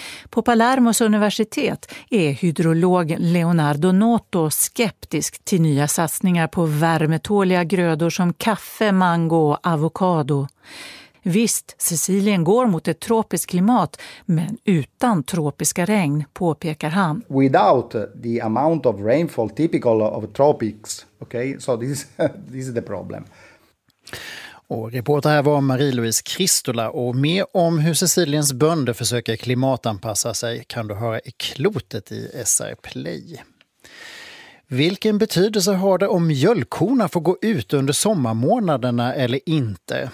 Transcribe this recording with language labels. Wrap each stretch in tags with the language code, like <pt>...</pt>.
<sv>På Palermos universitet är hydrolog Leonardo Noto skeptisk till nya satsningar på värmetåliga grödor som kaffe, mango och avokado. Visst, Sicilien går mot ett tropiskt klimat, men utan tropiska regn, påpekar han.</sv> <en>Without the amount of rainfall typical of tropics, okay? So this is the problem.</en> <sv>Och reporter här var Marie-Louise Kristola, och mer om hur Siciliens bönder försöker klimatanpassa sig kan du höra i Klotet i SR Play. Vilken betydelse har det om mjölkkorna får gå ut under sommarmånaderna eller inte?</sv>